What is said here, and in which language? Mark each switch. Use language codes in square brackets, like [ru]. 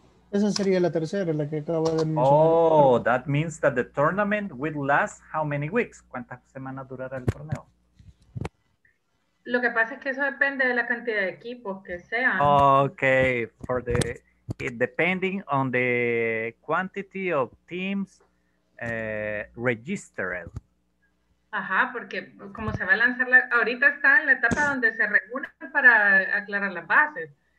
[es] Esa sería la tercera, la que acabo de mencionar. [en] Oh, that means that the tournament will last how many weeks? [es] ¿Cuántas semanas durará el torneo? Lo que pasa es que eso depende de la cantidad de equipos que sean. [en] Okay, for the depending on the quantity of teams registered. [es] Ajá, porque como se va a lanzar, ahorita está en la etapa donde se reúnen para aclarar las bases.